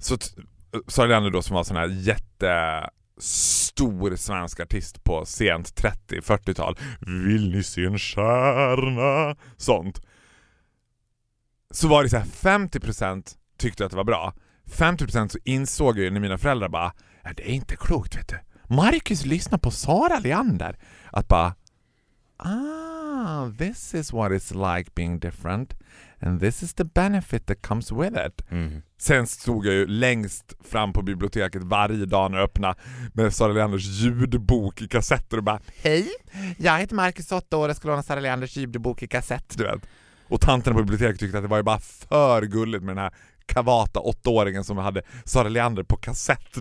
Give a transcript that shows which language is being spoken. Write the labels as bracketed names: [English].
[Swedish] Så Sara Leander då, som var sån här jätte... stor svensk artist på sent 30-40-tal. Vill ni se en stjärna? Sånt. Så var det så här, 50% tyckte att det var bra. 50% så insåg jag ju när mina föräldrar bara, ja, det är inte klokt, vet du. Marcus lyssnar på Sara Leander. [English] Att bara, ah, this is what it's like being different. And this is the benefit that comes with it. Mm. [Swedish] Sen stod jag ju längst fram på biblioteket varje dag när jag öppnade med Sara Leanders ljudbok i kassetter och bara, hej, jag heter Marcus, 8 år, jag ska låna Sara Leanders ljudbok i kassett. Du vet. Och tanten på biblioteket tyckte att det var ju bara för gulligt med den här kavata 8-åringen som hade Sara Leander på kassett.